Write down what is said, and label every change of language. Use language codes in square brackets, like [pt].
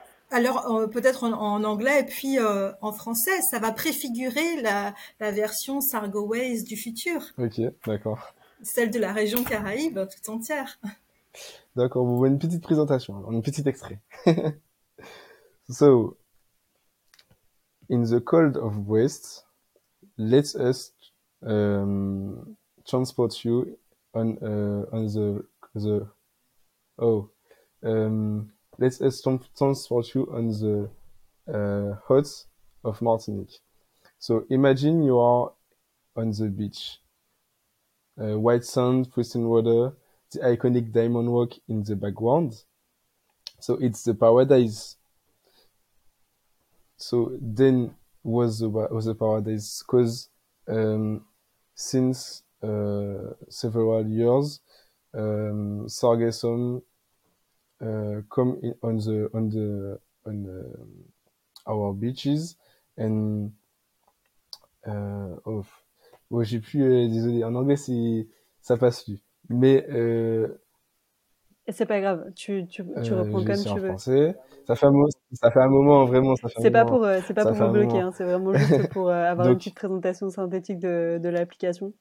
[fr] Alors, peut-être en anglais et puis en français, ça va préfigurer la version Sargowaze du futur. Ok, d'accord. Celle de la région Caraïbe toute entière. D'accord, vous voyez une petite présentation, un petit extrait. [en] So, in the cold of West, let us transport you let us transport you on the hot of Martinique. So imagine you are on the beach. White sand, pristine water, the iconic diamond walk in the background. So it's the paradise. So then was the paradise, because since several years, Sargassum come in our beaches and off. [fr] Oh, j'ai plus, désolé, en anglais c'est ça passe plus, mais c'est pas grave, tu reprends comme tu veux. En français, ça fait un moment vraiment. Ça fait c'est pas pour c'est pas ça pour vous bloquer, hein, c'est vraiment juste pour avoir donc une petite présentation synthétique de l'application.